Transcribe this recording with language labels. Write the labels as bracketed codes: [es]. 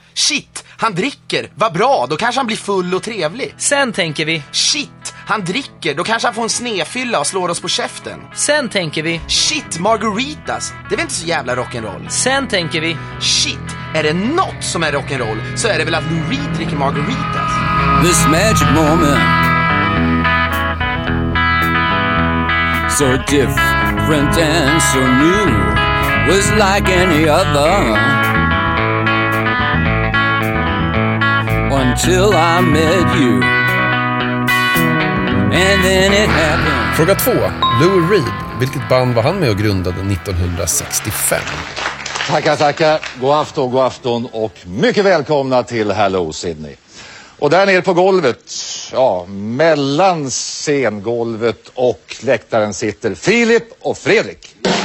[sv] shit, han dricker, vad bra, då kanske han blir full och trevlig. Sen tänker vi: shit, han dricker, då kanske han får en snefylla och slår oss på käften. Sen tänker vi: shit, margaritas, det är väl inte så jävla rock'n'roll. Sen tänker vi: shit, är det något som är rock'n'roll så är det väl att Lou Reed dricker margaritas. [en] This magic moment, so different and so new, was like any other until I met you. And then it happened. [sv] Fråga 2. Lou Reed, vilket band var han med och grundade 1965? Tackar, tackar. God afton, god afton. Och mycket välkomna till Hello Sydney. Och där nere på golvet, ja, mellan scengolvet och läktaren sitter Filip och Fredrik.